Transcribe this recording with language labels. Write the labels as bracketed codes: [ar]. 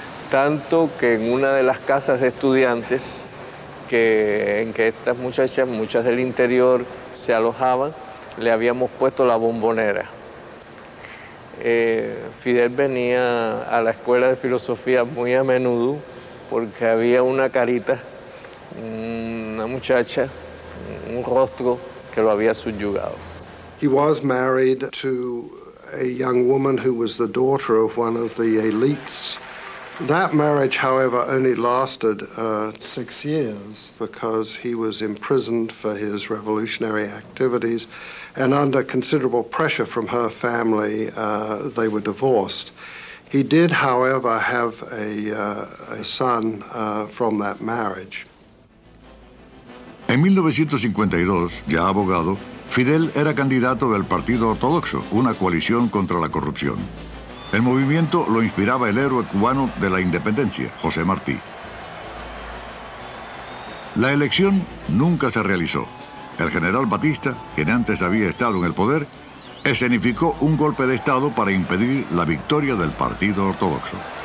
[es] Tanto que en una de las casas de estudiantes en que estas muchachas, muchas del interior, se alojaban, le habíamos puesto la bombonera. Fidel venía a la escuela de filosofía muy a menudo porque había una carita, una muchacha, un rostro que lo había subyugado. [en] He was married to a young woman who was the daughter of one of the elites. That marriage, however, only lasted 6 years because he was imprisoned for his revolutionary activities, and under considerable pressure from her family, they were divorced. He did, however, have a son from that marriage. [es] En 1952, ya abogado, Fidel era candidato del Partido Ortodoxo, una coalición contra la corrupción. El movimiento lo inspiraba el héroe cubano de la independencia, José Martí. La elección nunca se realizó. El general Batista, quien antes había estado en el poder, escenificó un golpe de Estado para impedir la victoria del Partido Ortodoxo.